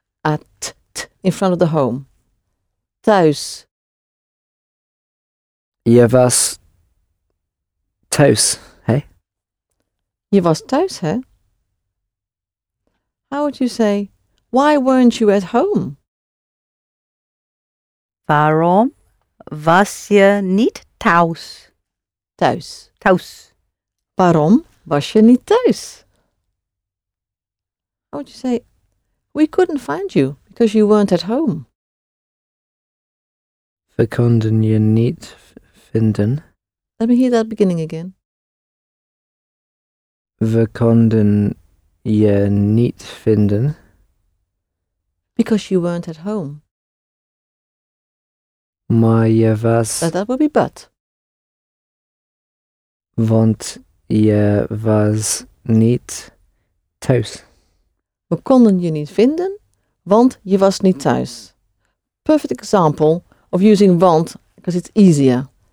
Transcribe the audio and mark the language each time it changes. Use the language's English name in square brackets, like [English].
[English] At, t, in front of the home. Thuis. [Dutch] Je was thuis, hey? Je was thuis, hey? [English] How would you say, why weren't you at home? [Dutch] Waarom was je niet thuis? Thuis. Thuis. Waarom was je niet thuis? [English] How would you say, we couldn't find you because you weren't at home? [Dutch] We konden je niet vinden. [English] Let me hear that beginning again. [Dutch] We konden je niet vinden. [English] Because you weren't at home. [Dutch] Maar je was... [English] That would be but. [Dutch] Want je was niet thuis. We konden je niet vinden, want je was niet thuis. [English] Perfect example of using want, because it's easier.